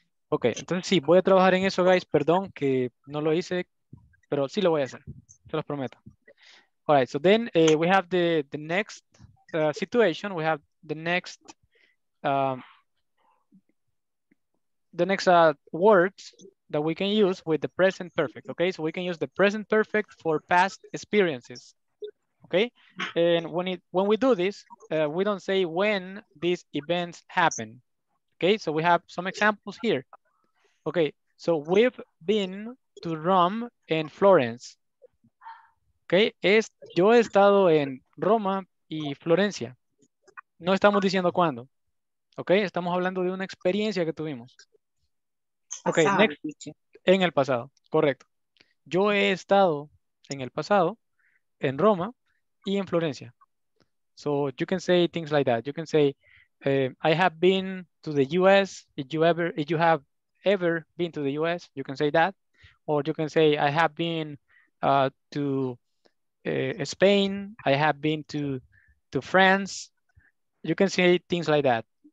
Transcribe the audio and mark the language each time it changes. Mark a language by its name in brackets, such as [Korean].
[Spanish] Okay, entonces sí, voy a trabajar en eso, guys. Perdón que no lo hice, pero sí lo voy a hacer. Se los prometo. [English] All right, so then we have the next situation. We have the next words that we can use with the present perfect, okay? So we can use the present perfect for past experiences, okay? And when we do this, we don't say when these events happen. Okay, so we have some examples here. Okay, so we've been to Rome and Florence. [Spanish] Okay, yo he estado en Roma y Florencia. No estamos diciendo cuándo. Okay, estamos hablando de una experiencia que tuvimos. Okay, pasado. [English] Next. [Spanish] En el pasado, correcto. Yo he estado en el pasado en Roma y en Florencia. [English] So you can say things like that. You can say, I have been to the US. If you have ever been to the US, you can say that. Or you can say, I have been to Spain. I have been to France. You can say things like that.